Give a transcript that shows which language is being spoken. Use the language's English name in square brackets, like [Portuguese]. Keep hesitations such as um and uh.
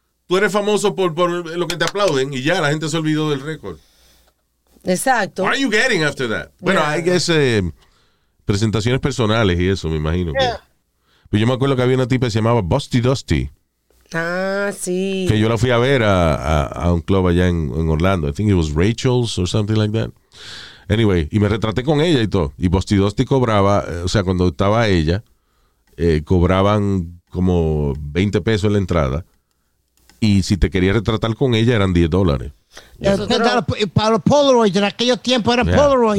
[Spanish] tú eres famoso por, por lo que te aplauden y ya la gente se olvidó del récord. Exacto. [English] What are you getting after [Spanish] that? Bueno, well, yeah. [English] I guess. [Spanish] Uh, presentaciones personales y eso, me imagino. Yeah. Pero yo me acuerdo que había una tipa que se llamaba Busty Dusty. Ah, sí. Que yo la fui a ver a, a, a un club allá en, en, Orlando. [English] I think it was Rachel's or something like that. [Spanish] Anyway, y me retraté con ella y todo. Y Busty Dusty cobraba, o sea, cuando estaba ella, eh, cobraban como 20 pesos en la entrada. Y si te quería retratar con ella, eran 10 dólares. Para Polaroid. en aquellos tiempos era Polaroid.